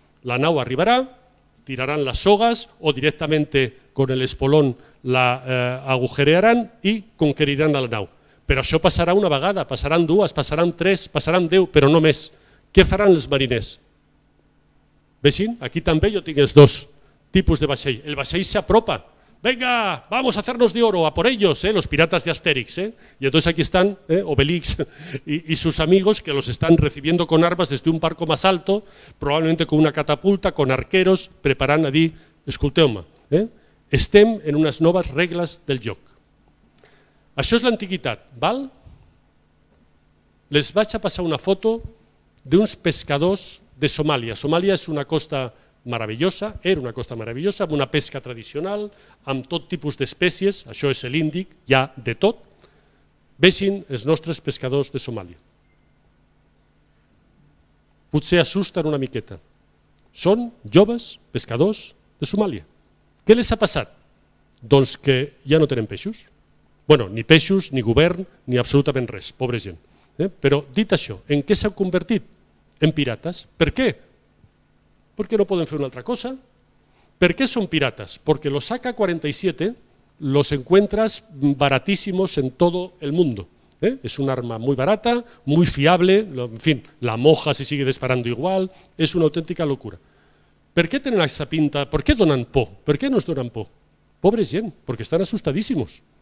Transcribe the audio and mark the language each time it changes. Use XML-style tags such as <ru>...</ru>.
<ca>La nau arribarà, tiraran les sogues o</ca> <es>directamente con el espolón la agujerearán</es> <ca>y conqueriran la nau. Però això passarà una vegada, passaran dues, passaran tres, passaran deu, però no més. Què faran els mariners? Vegin, aquí també jo tinc els dos tipus de vaixell. El vaixell s'apropa.</ca> <es>Venga, vamos a hacernos de oro, a por ellos, los piratas de Astérix. Y entonces aquí están Obelix y sus amigos que los están recibiendo con armas desde un barco más alto, probablemente con una catapulta, con arqueros,</es> <ca>preparant a dir, escolteu-me, estem en unes noves regles del joc. Això és l'antiguitat, val? Les vaig a passar una foto d'uns pescadors de Somàlia. Somàlia és una costa meravellosa, era una costa meravellosa, amb una pesca tradicional, amb tot tipus d'espècies, això és l'Índic, hi ha de tot. Vegin els nostres pescadors de Somàlia. Potser assusten una miqueta. Són joves pescadors de Somàlia. Què les ha passat? Doncs que ja no tenen peixos. Bueno, ni peixos, ni govern, ni absolutament res, pobra gent. Però dit això, en què s'han convertit? En pirates. Per què? Perquè no poden fer una altra cosa. Per què són pirates? Perquè</ca> <es>los AK-47 los encuentras baratísimos en todo el mundo. És un arma muy barata, muy fiable, en fin, la moja se sigue disparando igual,</es> <ca>és una autèntica locura.</ca> <es>¿Por qué tienen esa pinta? ¿Por qué donan po? ¿Por qué nos donan po? Pobre gente, porque están asustadísimos.</es>